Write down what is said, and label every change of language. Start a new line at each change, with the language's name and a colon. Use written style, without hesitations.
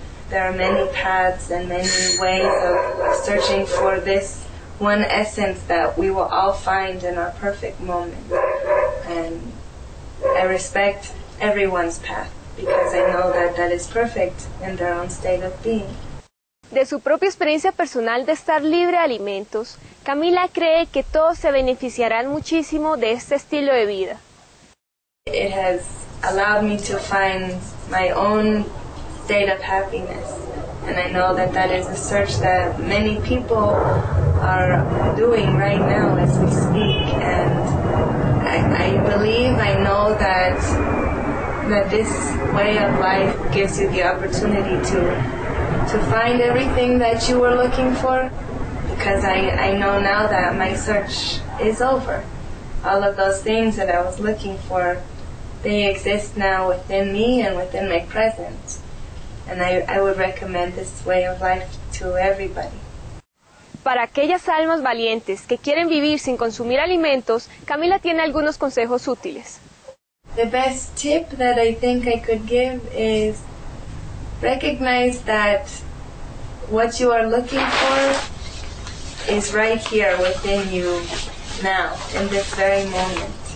English: There are many paths and many ways of searching for this one essence that we will all find in our perfect moment. And I respect everyone's path. because I know that that is perfect in their own state of being.
Spanish: De su propia experiencia personal de estar libre de alimentos, Camila cree que todos se beneficiarán muchísimo de este estilo de vida.
English: It has allowed me to find my own state of happiness, and I know that that is a search that many people are doing right now as we speak, and I believe, I know that this way of life gives you the opportunity to find everything that you were looking for, because I know now that my search is over. All of those things that I was looking for, they exist now within me and within my presence. And I would recommend this way of life to everybody.
Spanish: Para aquellas almas valientes que quieren vivir sin consumir alimentos, Camila tiene algunos consejos útiles.
English: The best tip that I think I could give is recognize that what you are looking for is right here within you now, in this very moment.